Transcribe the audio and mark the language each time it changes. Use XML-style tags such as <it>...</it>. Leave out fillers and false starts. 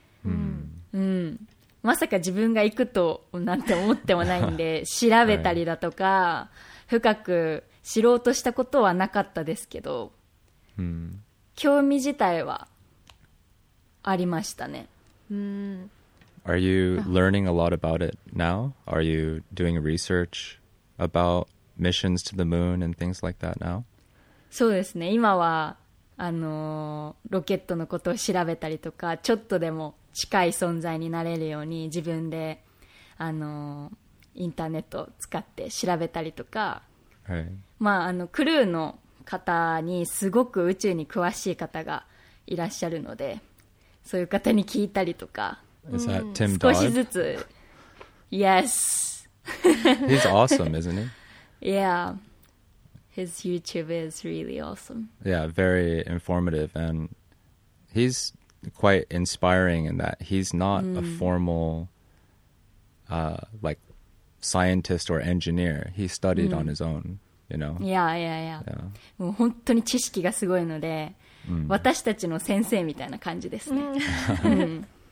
<ja>うん、うん、まさか自分が行くとなんて思ってもないんで調べたりだとか、はい、深く知ろうとしたことはなかったですけど、うん、興味自体はありましたね。うん。</ja> <en>Are you learning a lot about it now? Are you doing research about missions to the moon and things like that now?</en> <ja>そうですね。今はロケットのことを調べたりとか、ちょっとでも近い存在になれるように自分でインターネットを使って調べたりとか、はい、まあクルーの方にすごく宇宙に詳しい方がいらっしゃるので、そういう方に聞いたりとか、</ja> <en>Is that Tim Dodd?</en> <ja>少しずつ、</ja> <en>Yes, he's awesome, isn't he? Yeah, his YouTube is really awesome. Yeah, very informative, and he's quite inspiring in that he's not a formal, like scientist or engineer. He studied on his own. You know? Yeah, yeah, yeah. yeah.</en> <ja>もう本当に知識がすごいので、私たちの先生みたいな感じですね。</ja>